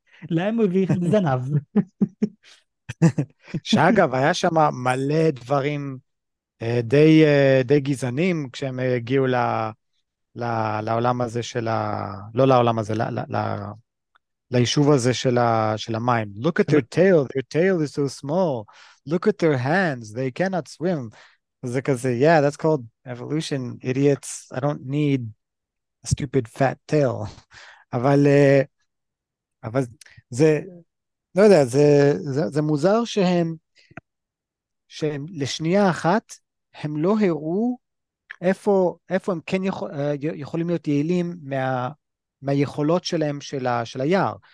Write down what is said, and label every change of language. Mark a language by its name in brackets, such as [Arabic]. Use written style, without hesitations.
[Hebrew] להם הוא הביא זנב. שאגב, היה שם מלא דברים די, די גזענים כשהם הגיעו לעולם הזה של ה... לא לעולם הזה, ליישוב הזה של המים. [English] Look at their tail is so small. Look at their hands, they cannot swim. [Hebrew] זה כזה, [English] yeah, that's called evolution, idiots. I don't need a stupid fat tail. [Hebrew] אבל זה... לא יודע, זה מוזר שהם לשנייה אחת, הם לא הראו איפה הם כן יכולים להיות יעילים מהיכולות שלהם של היער.